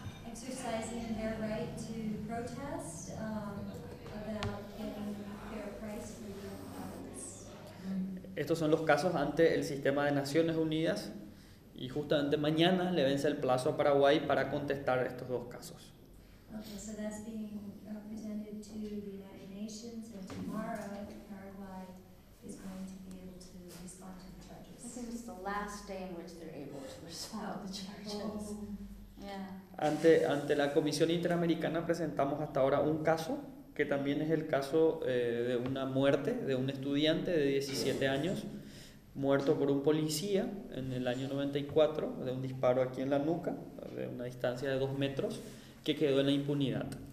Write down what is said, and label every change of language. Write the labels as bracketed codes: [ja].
[en] Exercising their right to protest about getting fair price for their products. [es] Estos son los casos ante el Sistema de Naciones Unidas, y justamente mañana le vence el plazo a Paraguay para contestar estos dos casos. [en] Okay, so that's being presented to the United Nations, and tomorrow Paraguay is going to be able to respond to the charges. I think it's the last day in which they're able to respond to the charges. Yeah. [es] Ante la Comisión Interamericana presentamos hasta ahora un caso, que también es el caso de una muerte de un estudiante de 17 años, muerto por un policía en el año 94, de un disparo aquí en la nuca, de una distancia de 2 metros, que quedó en la impunidad.